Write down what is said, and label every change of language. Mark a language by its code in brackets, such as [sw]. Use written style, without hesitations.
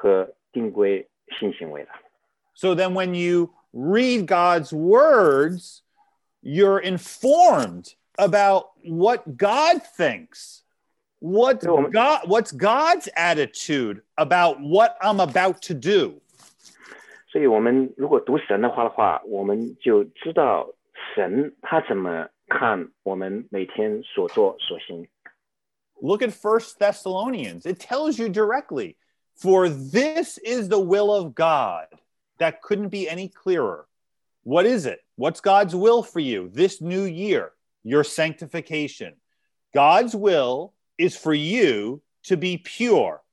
[zh] 可能他们从来就没有读过神的话，也不知道神是如何定规性行为的。 [en] So then when you read God's words, you're informed about what God thinks. What's God's attitude about what I'm about to do? [zh] 所以我们如果读神的话的话，我们就知道神他怎么看我们每天所做所行。 [en] Look at 1 Thessalonians. It tells you directly, for this is the will of God. That couldn't be any clearer. What is it? What's God's will for you this new year? Your sanctification. God's will is for you to be pure.